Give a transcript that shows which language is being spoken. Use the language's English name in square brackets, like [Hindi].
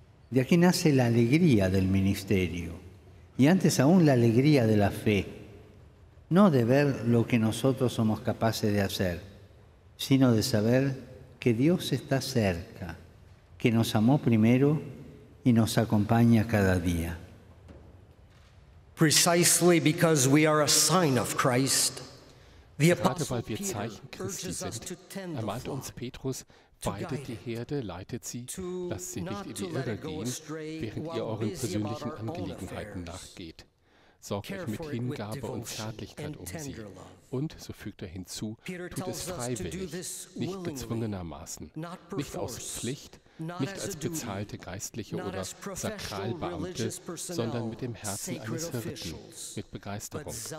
[Spanish] De aquí nace la alegría del ministerio y antes aún la alegría de la fe, no de ver lo que nosotros somos capaces de hacer, sino de saber que Dios está cerca, que nos amó primero y nos acompaña cada día. [English] Precisely because we are a sign of Christ, the Apostle Peter urges us to tend the flock. [German] Gerade weil wir Zeichen Christi sind, ermahnt uns Petrus: weidet die Herde, leitet sie, lasst sie nicht in die Irre gehen, während ihr euren persönlichen Angelegenheiten nachgeht. Sorgt euch mit Hingabe und Zärtlichkeit um sie. Und, so fügt er hinzu, tut es freiwillig, nicht gezwungenermaßen, nicht aus Pflicht, nicht als bezahlte Geistliche oder Sakralbeamte, sondern mit dem Herzen eines Hirten, mit Begeisterung.